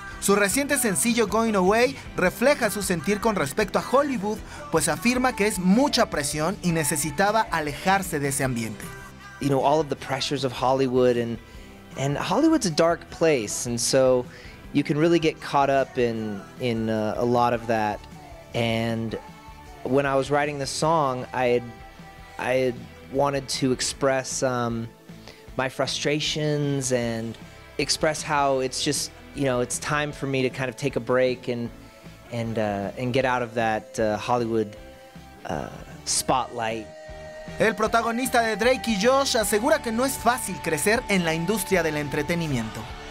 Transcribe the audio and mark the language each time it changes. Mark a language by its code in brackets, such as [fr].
[es] Su reciente sencillo Going Away refleja su sentir con respecto a Hollywood, pues afirma que es mucha presión y necesitaba alejarse de ese ambiente. [en] You know, all of the pressures of Hollywood and Hollywood's a dark place, and so you can really get caught up in a lot of that. And when I was writing the song, I had wanted to express my frustrations and express how it's just, you know, it's time for me to kind of take a break and get out of that Hollywood spotlight. [es] El protagonista de Drake y Josh asegura que no es fácil crecer en la industria del entretenimiento.